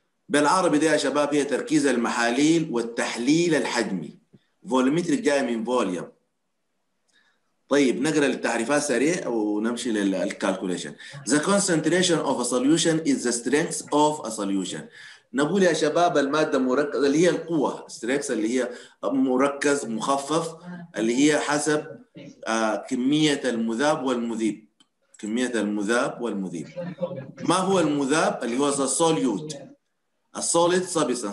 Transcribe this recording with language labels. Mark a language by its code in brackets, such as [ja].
[ar] بالعربي دي يا شباب هي تركيز المحاليل والتحليل الحجمي. Volumetric جاي من volume. طيب نقرا التعريفات سريع ونمشي للكالكوليشن. [en] The concentration of a solution is the strength of a solution. [ar] نقول يا شباب المادة مركزة اللي هي القوة strength اللي هي مركز مخفف اللي هي حسب كمية المذاب والمذيب. كمية المذاب والمذيب. ما هو المذاب؟ اللي هو [en] the solute. Solid substance.